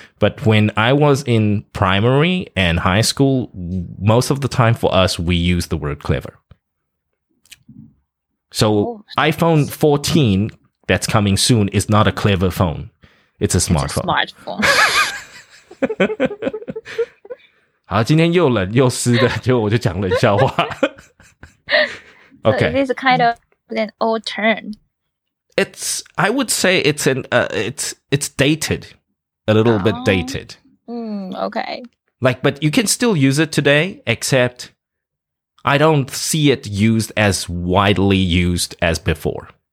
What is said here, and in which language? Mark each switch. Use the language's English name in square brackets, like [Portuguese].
[English] But when I was in primary and high school, most of the time for us, we used the word clever. So iPhone 14 that's coming soon is not a clever phone. It's a smartphone. It's a smartphone. [Chinese] 好，今天又冷又湿的，就我就讲冷笑话。 [English] Okay. So it is kind of... an old term. It's, I would say it's an, it's dated, a little bit dated. Okay. Like, but you can still use it today, except I don't see it used as widely used as before.